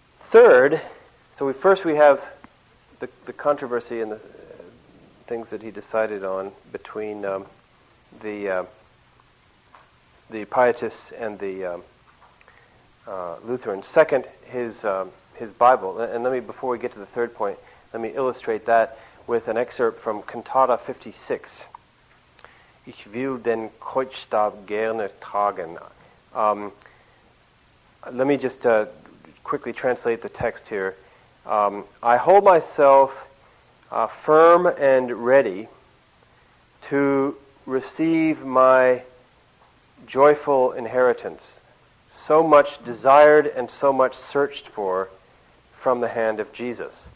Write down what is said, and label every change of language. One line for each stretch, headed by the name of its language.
English: Third, so we have the controversy and the things that he decided on between the Pietists and the Lutherans. Second, his Bible. And let me, before we get to the third point, let me illustrate that with an excerpt from Cantata 56.
German: Ich will den Kreuzstab gerne tragen.
English: Let me just quickly translate the text here. I hold myself firm and ready to receive my joyful inheritance, so much desired and so much searched for from the hand of Jesus.